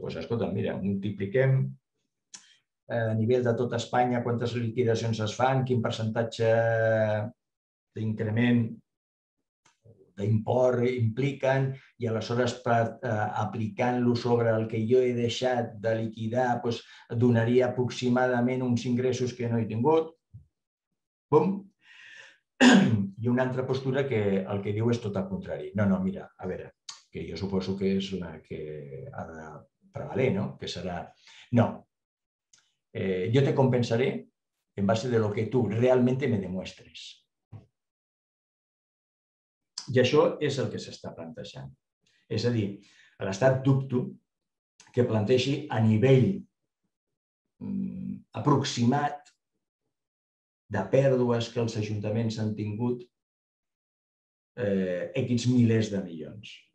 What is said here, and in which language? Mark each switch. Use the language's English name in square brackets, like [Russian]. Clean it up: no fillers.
[Catalan] Doncs, escolta'm, mira, multipliquem a nivell de tot Espanya, quantes liquidacions es fan, quin percentatge d'increment d'import impliquen i aleshores aplicant-lo sobre el que jo he deixat de liquidar doncs, donaria aproximadament uns ingressos que no he tingut. Bum. I una altra postura que el que diu és tot el contrari. No, mira, a veure, que jo suposo que és una que ha de prevaler, no? Que serà... No. [Spanish] Yo te compensaré en base de lo que tú realmente me demuestres. [Catalan] I això és el que s'està plantejant. És a dir, l'Estat dubto que plantegi a nivell aproximat de pèrdues que els ajuntaments han tingut equips milers de milions.